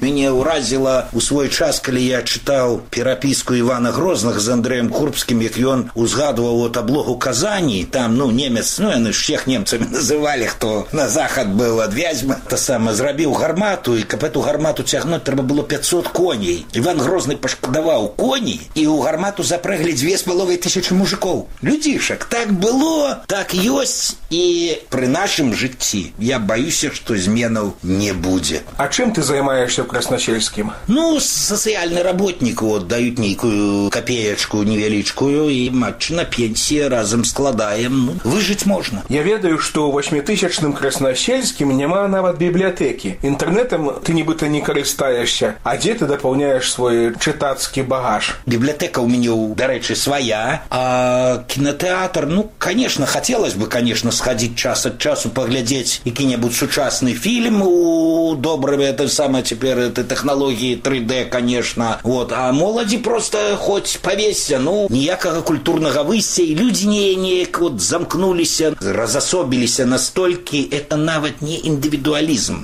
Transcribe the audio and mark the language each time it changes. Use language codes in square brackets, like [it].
[ru] Меня уразило у свой час, когда я читал переписку Ивана Грозных с Андреем Курбским, как он узгадывал от облогу Казани, там, ну, немец, ну, они всех немцами называли, кто на Заход был от Вязьмы, [be] то зрабіў гармату, і каб эту гармату цягнуць, трэба было 500 коней. Іван Грозны пашкадаваў коней, і ў гармату запрэглі 2500 мужыкоў. Людзішак, так было, так ёсць, і пры нашым жыцці я баюся, што зменаў не будзе. А чым ты займаешся ў Красносельскім? Ну, сацыяльны работнік, от, даюць нейкую капеечку невялічкую, і матчына пенсія разам складаем. Ну, выжыць можна. Я ведаю, што ў 8000-ным Красносельскім няма нават бібліятэкі. Інтэрнэтам ты нібыта не карыстаешся. А дзе ты дапаўняеш свой чытацкі багаж? Бібліятэка ў мяне, дарэчы, свая. [ru] А кінатэатр, ну, канешна, хацелось бы, канешна, сходить час от часу поглядеть какие-нибудь сучасный фильм у добрые это самое теперь это технологии 3D, конечно, вот, а молоди просто хоть повесься, ну, ніякага культурного выйсця, и люди неяк вот замкнулися, разособіліся настолько, это нават не индивидуализм.